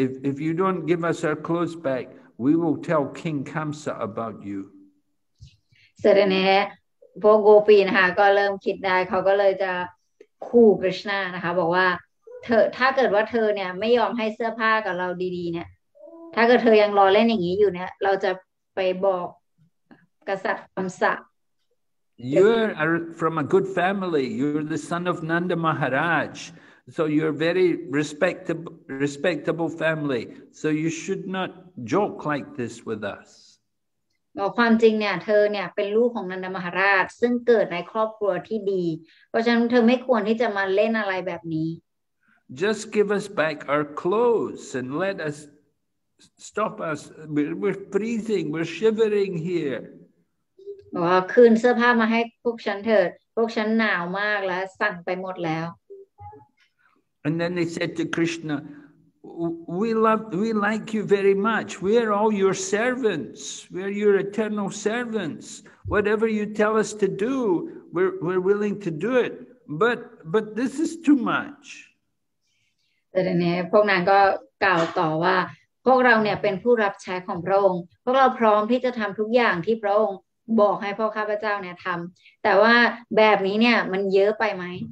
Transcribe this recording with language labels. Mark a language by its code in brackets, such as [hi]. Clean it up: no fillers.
[en] If you don't give us our clothes back, we will tell King Kamsa about you. So then, [th] พวกโกปีนะคะก็เริ่มคิดได้เขาก็เลยจะขู่คริชนานะคะบอกว่าเธอถ้าเกิดว่าเธอเนี่ยไม่ยอมให้เสื้อผ้ากับเราดีๆเนี่ยถ้าเกิดเธอยังรอเล่นอย่างนี้อยู่เนี่ยเราจะไปบอกกษัตริย์คำสะ [en] You're from a good family. You're the son of Nanda Maharaj. So you're very respectable family. So you should not joke like this with us. [th] Well, ความจริงเนี่ยเธอเนี่ยเป็นลูกของนันทมหาราชซึ่งเกิดในครอบครัวที่ดีเพราะฉะนั้นเธอไม่ควรที่จะมาเล่นอะไรแบบนี้ [en] Just give us back our clothes and let us stop us. We're freezing. We're shivering here. [th] บอกว่าคืนเสื้อผ้ามาให้พวกฉันเถิดพวกฉันหนาวมากแล้วสั่นไปหมดแล้ว [en] And then they said to Krishna, we like you very much. We are all your servants. We are your eternal servants. Whatever you tell us to do, we're willing to do it. But this is too much. [th] แต่เนี่ยพวกนางก็กล่าวต่อว่าพวกเราเนี่ยเป็นผู้รับใช้ของพระองค์พวกเราพร้อมที่จะทำทุกอย่างที่พระองค์บอกให้พ่อข้าพเจ้าเนี่ยทำแต่ว่าแบบนี้เนี่ยมันเยอะไปไหม